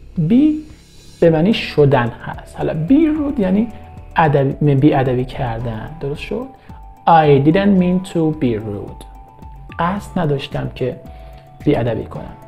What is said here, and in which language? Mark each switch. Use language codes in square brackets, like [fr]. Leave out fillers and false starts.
[fa] Be به معنی شدن هست. حالا be rude یعنی بی ادبی کردن. درست شد؟ [en] I didn't mean to be rude. [fa] قصد نداشتم که بی ادبی کنم.